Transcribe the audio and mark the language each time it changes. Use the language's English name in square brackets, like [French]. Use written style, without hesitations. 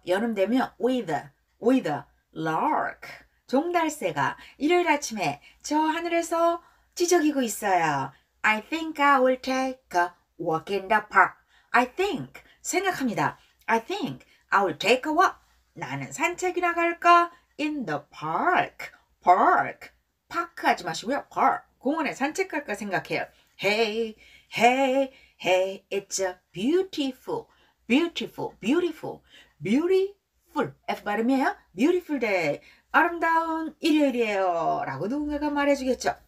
[Korean] 연음 되면 [English] with the lark. [Korean] 종달새가 일요일 아침에 저 하늘에서 지적이고 있어요. [English] I think I will take a walk in the park. I think. [Korean] 생각합니다. [English] I think I will take a walk. [Korean] 나는 산책이나 갈까? [English] In the park. Park. [Korean] 파크 하지 마시고요. [English] Park. [Korean] 공원에 산책 갈까 생각해요. [English] Hey, hey, hey. It's a beautiful, beautiful, beautiful, beautiful. F [Korean] 발음이에요. [English] Beautiful day. [Korean] 아름다운 일요일이에요. 라고 누군가가 말해주겠죠.